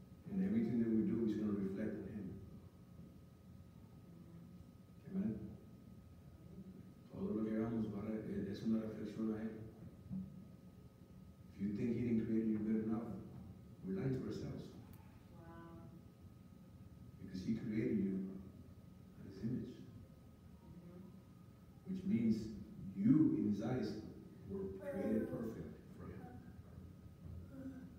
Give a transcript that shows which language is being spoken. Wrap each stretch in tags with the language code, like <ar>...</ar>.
<en>And everything that we do is going to reflect on Him. Amen.</en> <es>Todo lo que hagamos es una reflexión a Él.</es> <en>If you think He didn't create you good enough, we're lying to ourselves. Wow. Because He created you in His image. Which means you, in His eyes, were created perfect for Him.</en>